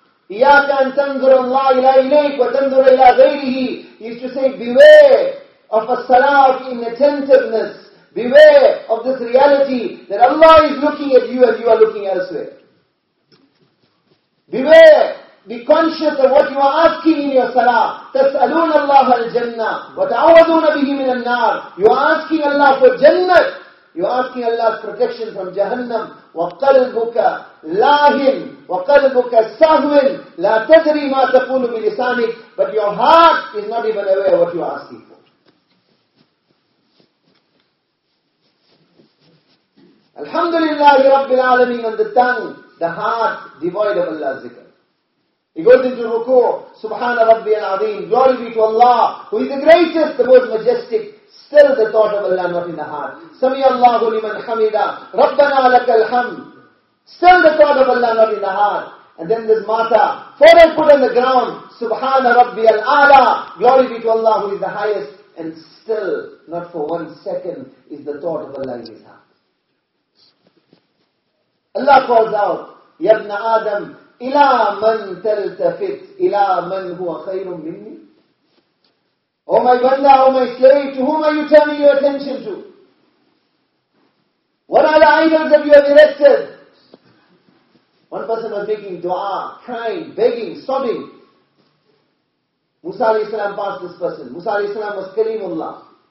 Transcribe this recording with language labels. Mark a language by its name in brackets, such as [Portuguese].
[Arabic] Iyaka an tanzur Allah ila ilayk wa tanzur ila ghayrihi. [English] He used to say, beware of a salah of inattentiveness. Beware of this reality that Allah is looking at you and you are looking elsewhere. Beware, be conscious of what you are asking in your salah. [Arabic] تَسْأَلُونَ اللَّهَ الْجَنَّةِ وَتَعَوَذُونَ بِهِ مِنَ النَّارِ. [English] You are asking Allah for Jannah. You are asking Allah's protection from Jahannam. [Arabic] وَقَلْبُكَ لَاهِمْ وَقَلْبُكَ سَهْوٍ لَا تَدْرِي مَا تَقُولُ بِلِسَانِكَ. [English] But your heart is not even aware of what you are asking for. [Arabic] Alhamdulillahi Rabbil Alameen. [English] On the tongue, the heart devoid of Allah's zikr. He goes into ruku', [Arabic] Subhana Rabbi al-Azim, [English] glory be to Allah, who is the greatest, the most majestic. Still the thought of Allah not in the heart. [Arabic] Sami Allahu liman hamida, Rabbana lakal hamd. [English] Still the thought of Allah not in the heart. And then this mata, forehead put on the ground, [Arabic] Subhana Rabbi al-A'la, [English] glory be to Allah, who is the highest. And still, not for one second, is the thought of Allah in his heart. Allah calls out, [Arabic] Yabna Adam, إِلَىٰ مَنْ تَلْتَفِتْ إِلَىٰ مَنْ هُوَ خَيْرٌ مِنِّي. [English] Oh my banda, oh my slave, to whom are you turning your attention to? What are the idols that you have erected? One person was making dua, crying, begging, sobbing. Musa alayhi salam passed this person. Musa alayhi salam was Kaleemullah.